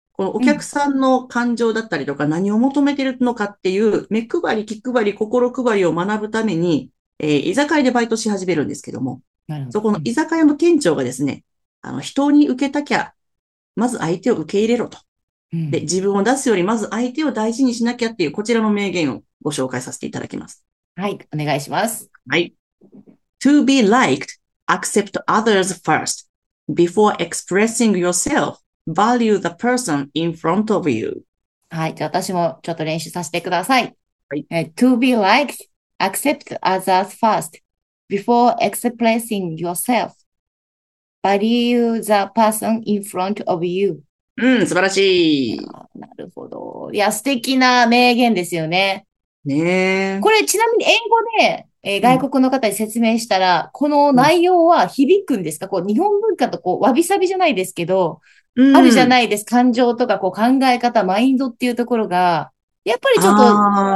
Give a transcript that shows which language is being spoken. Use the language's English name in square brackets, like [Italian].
[Japanese] このお客さんの感情だったりとか、何を求めてるのかっていう、目配り、気配り、心配りを学ぶために、居酒屋でバイトし始めるんですけども、そこの居酒屋の店長がですね、人に受けたきゃ、まず相手を受け入れろと。で、自分を出すより、まず相手を大事にしなきゃっていう、こちらの名言をご紹介させていただきます。お願いします。 [English] To be liked, accept others first. Before expressing yourself, value the person in front of you. [Japanese] じゃあ私もちょっと練習させてください。 [English] To be liked, accept others first. Before expressing yourself, value the person in front of you. [Japanese] 素晴らいしい。や、なるほど。いや、素敵な名言ですよね。ねえ。これ、ちなみに英語で、外国の方に説明したら、この内容は響くんですか？こう、日本文化とこう、わびさびじゃないですけど、あるじゃないです。感情とか、こう、考え方、マインドっていうところが、やっぱりちょっと、